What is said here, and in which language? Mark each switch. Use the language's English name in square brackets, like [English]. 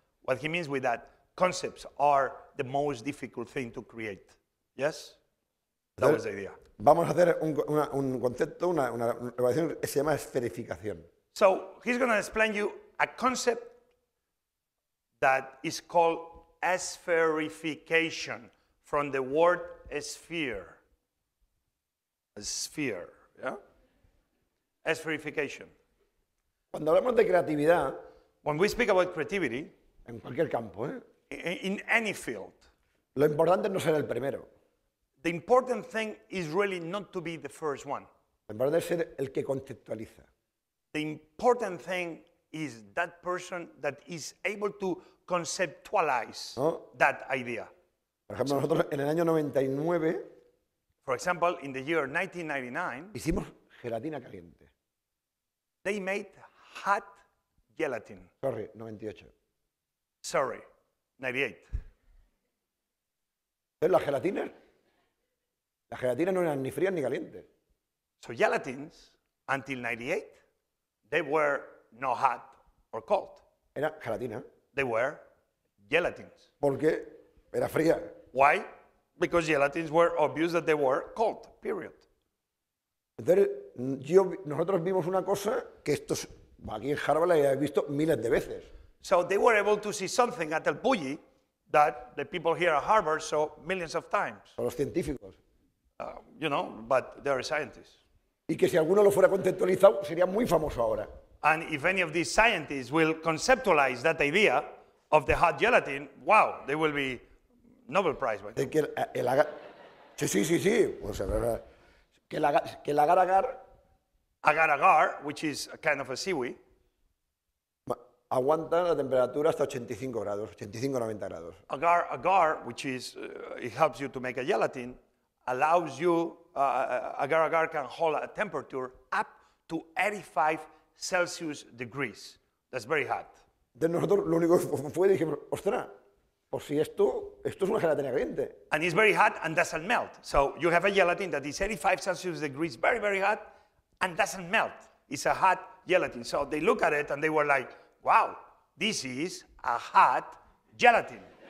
[English] What he means with that, concepts are the most difficult thing to create. Yes? That was the idea. [Spanish] Vamos a hacer un concepto, una evaluación, que se llama esferificación. [English] So he's going to explain you a concept that is called spherification, from the word sphere. A sphere, yeah? Spherification. [Spanish] Cuando hablamos de creatividad, [English] when we speak about creativity, [Spanish] en cualquier campo, [English] in any field, [Spanish] lo importante es no ser el primero. [English] The important thing is really not to be the first one. [Spanish] Lo importante es ser el que conceptualiza. [English] The important thing is that person that is able to conceptualize that idea. [Spanish] Por ejemplo, nosotros en el año 99, [English] for example, in the year 1999, [Spanish] hicimos gelatina caliente. [English] They made hot gelatin. Sorry, 98. Sorry, 98. [Spanish] ¿Pero las gelatinas no eran ni frías ni calientes? [English] So gelatins, until 98, they were no hot or cold. [Spanish] Era gelatina. [English] They were gelatins. [Spanish] ¿Por qué? Era fría. [English] Why? Because gelatins were obvious that they were cold, period. [Spanish] Entonces, nosotros vimos una cosa que esto aquí en Harvard la he visto miles de veces. [English] So they were able to see something at elBulli that the people here at Harvard saw millions of times. [Spanish] Los científicos. [English] You know, but they are scientists. [Spanish] Y que si alguno lo fuera conceptualizado, sería muy famoso ahora. [English] And if any of these scientists will conceptualize that idea of the hot gelatin, wow, they will be Nobel Prize. [Spanish] De que el agar... Sí. O sea, que el agar-agar... [English] Agar-agar, which is a kind of a seaweed. [Spanish] Aguanta la temperatura hasta 85 grados, 85 a 90 grados. [English] Agar-agar, which is, it helps you to make a gelatin, allows you, agar-agar can hold a temperature up to 85 Celsius degrees. That's very hot. [Spanish] De nosotros lo único que fue, dije, ostras, pues si esto, esto es una gelatina caliente. [English] And it's very hot and doesn't melt. So you have a gelatin that is 85 Celsius degrees, very, very hot, and doesn't melt. It's a hot gelatin. So they look at it and they were like, wow, this is a hot gelatin.